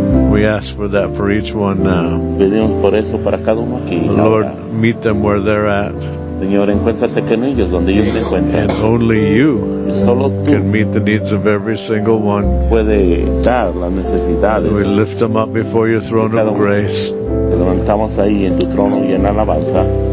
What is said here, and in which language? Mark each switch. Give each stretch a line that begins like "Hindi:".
English: We ask for that for each one now.
Spanish: Pedimos por eso para cada uno aquí.
English: Lord, meet them where they're at.
Spanish: Señor, encuéntrate con ellos donde ellos se encuentran.
English: And only you
Spanish: solo tú
English: can meet the needs of every single one.
Spanish: Puede dar las necesidades.
English: We lift them up before your throne of grace.
Spanish: Te levantamos ahí en tu trono y en alabanza.